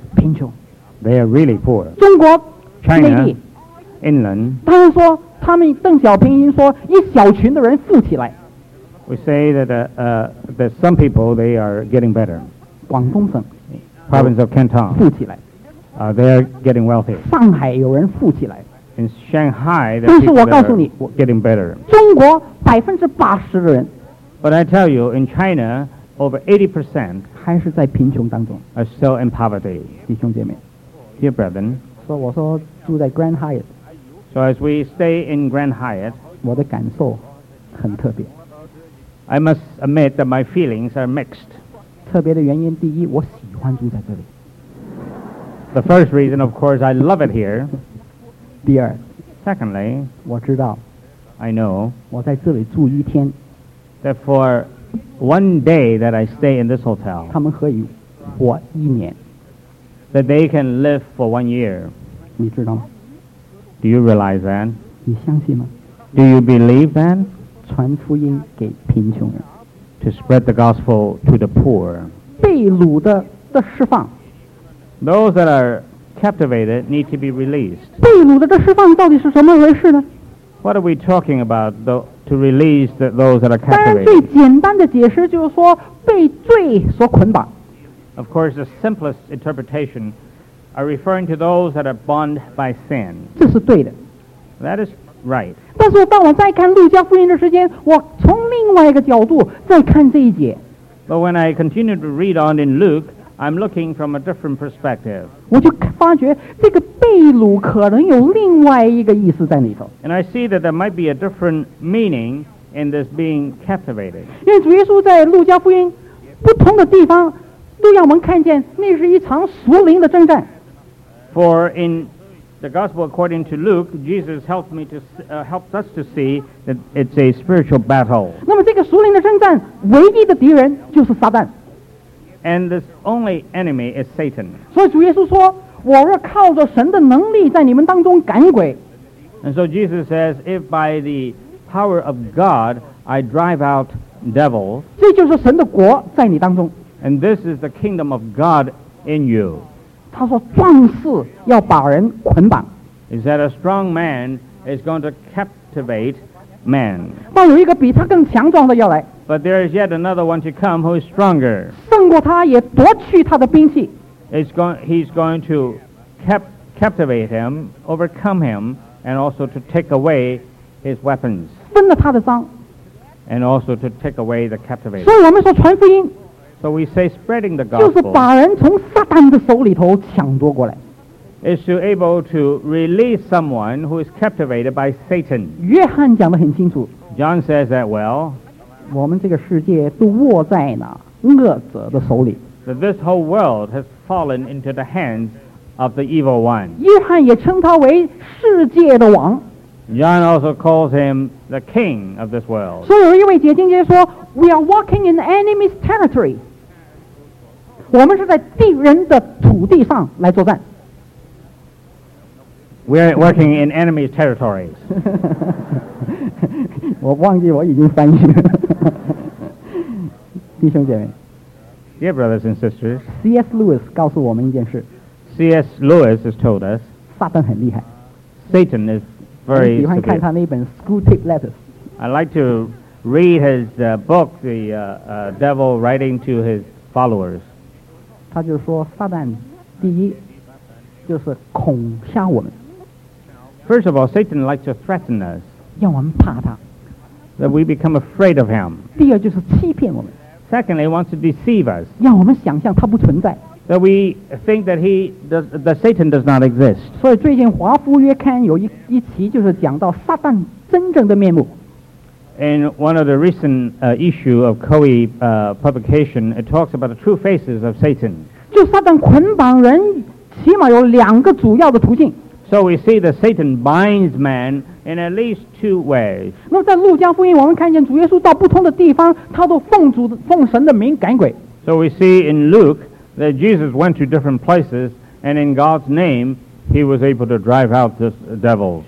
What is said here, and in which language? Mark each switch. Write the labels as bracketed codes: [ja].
[zh] 贫穷 [en] They are really poor [zh] 中国 [en] China [zh] 内地 [en] Inland [zh] 他们说他们邓小平已经说一小群的人富起来 [en] We say that, that some people, they are getting better. [zh] 广东省 [en] Province of Canton. [zh] 富起来 [en] They are getting wealthy. [zh] 上海有人富起来 [en] In Shanghai, the people are getting better. [zh] 中国80%的人 [en] But I tell you, in China, over 80% [zh] 还是在贫穷当中 [en] are still in poverty. [zh] 弟兄姐妹 [en] Dear brethren, [zh] 所以我说住在 Grand Hyatt. [en] So as we stay in Grand Hyatt, [zh] 我的感受很特别。 [en] I must admit that my feelings are mixed. [zh] 特别的原因第一，我喜欢住在这里。 [en] The first reason, of course, I love it here. [zh] 第二 [en] Secondly, [zh] 我知道 [en] I know [zh] 我在这里住一天 [en] that for one day that I stay in this hotel [zh] 他们可以活一年 [en] that they can live for one year [zh] 你知道吗 [en] Do you realize that? [zh] 你相信吗 [en] Do you believe that? [zh] 传福音给贫穷人 [en] To spread the gospel to the poor [zh] 被掳的释放 [en] Those that are captivated need to be released. [zh] 被掳的这释放到底是什么回事呢 [en] What are we talking about to release those that are captivated? [zh] 当然最简单的解释就是说被罪所捆绑 [en] Of course, the simplest interpretation are referring to those that are bound by sin. [zh] 这是对的 [en] That is right. [zh] 但是当我再看路加福音的时间我从另外一个角度再看这一节 [en] But when I continue to read on in Luke,I'm looking from a different perspective. [zh] 我就发觉这个被掳可能有另外一个意思在里头。 [en] And I see that there might be a different meaning in this being captivated. [zh] 因为主耶稣在路加福音不同的地方都让我们看见那是一场属灵的征战。 [en] For in the gospel according to Luke, Jesus helped me to helps us to see that it's a spiritual battle. [zh] 那么这个属灵的征战唯一的敌人就是撒旦。 [en] And this only enemy is Satan. [zh] 所以主耶稣说，我若靠着神的能力在你们当中赶鬼。 [en] And so Jesus says, if by the power of God I drive out devils, [zh] 这就是神的国在你当中。 [en] And this is the kingdom of God in you. [zh] 他说，壮士要把人捆绑。 [en] Is that a strong man is going to captivate man? [zh] 但有一个比他更强壮的要来。 [en] But there is yet another one to come who is stronger. [zh] 胜过他也夺去他的兵器。 [en] He's going to captivate him, overcome him, and also to take away his weapons. [zh] 分了他的赃。 [en] And also to take away the captivity. [zh] 所以我们说传福音。 [en] So we say spreading the gospel. [zh] 就是把人从撒旦的手里头抢夺过来。 [en] Is to able to release someone who is captivated by Satan. [zh] 约翰讲得很清楚。 [en] John says that well. [zh] 我们这个世界都握在那恶者的手里。 [en] That this whole world has fallen into the hands of the evil one. [zh] 约翰也称他为世界的王。 [en] John also calls him the king of this world. [zh] 所以有一位解经家说 [en] ,We are walking in the enemy's territory. [zh] 我们是在敌人的土地上来作战。 [en] We are working in enemy's territories. [zh] 我忘记我已经翻译了弟兄姐妹 [en] Dear brothers and sisters C.S. [zh] Lewis 告诉我们一件事 [en] C.S. Lewis has told us [zh] 撒旦很厉害 [en] Satan is very severe [zh] 喜欢看他那本 Screwtape Letters [en] I like to read his book The Devil Writing to His Followers [zh] 他就说撒旦第一就是恐吓我们 [en] First of all Satan likes to threaten us [zh] 让我们怕他 [en] That we become afraid of him. [zh] 第二就是欺骗我们。 [en] Secondly, he wants to deceive us. [zh] 让我们想象他不存在。 [en] That we think that that Satan does not exist. [zh] 所以最近华夫约刊有一期就是讲到撒旦真正的面目。 [en] In one of the recent issue of Coe publication, it talks about the true faces of Satan. [zh] 就撒旦捆绑人，起码有两个主要的途径。 [en] So we see that Satan binds man in at least two ways. [zh] 那在路加福音我们看见主耶稣到不同的地方他都奉神的名赶鬼。 [en] So we see in Luke that Jesus went to different places and in God's name he was able to drive out this devil.